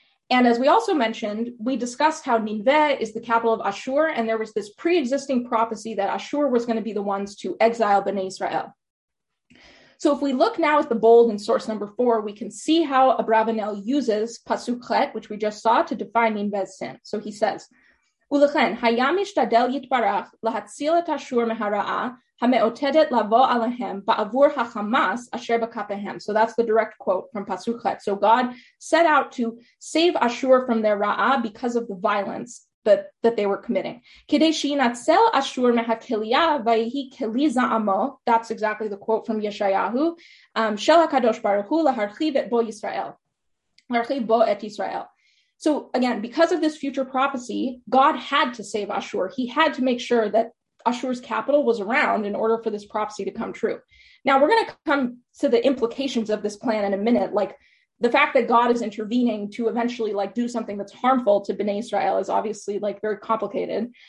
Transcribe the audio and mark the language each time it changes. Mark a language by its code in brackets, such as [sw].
[en] And as we also mentioned, we discussed how Ninveh is the capital of Ashur, and there was this pre-existing prophecy that Ashur was going to be the ones to exile Bnei Israel. So if we look now at the bold in source number 4, we can see how Abarbanel uses Pasuk Chet, which we just saw, to define Ninveh's sin. So he says, [he] ולכן, היה משתדל יתברך להציל את אשור מהרעה המעוטדת לבוא עליהם בעבור החמאס אשר בכפיהם. [en] So that's the direct quote from Pasuk Chet. So God set out to save Ashur from their ra'ah because of the violence that they were committing. [he] כדי שינצל אשור מהכליה ויהי כלי זעמו, [en] that's exactly the quote from Yeshayahu, [he] של הקדוש ברוך הוא להרחיב את בו ישראל. להרחיב בו את ישראל. [en] So again, because of this future prophecy, God had to save Ashur. He had to make sure that Ashur's capital was around in order for this prophecy to come true. Now we're going to come to the implications of this plan in a minute. Like the fact that God is intervening to eventually like do something that's harmful to Bnei Israel is obviously like very complicated.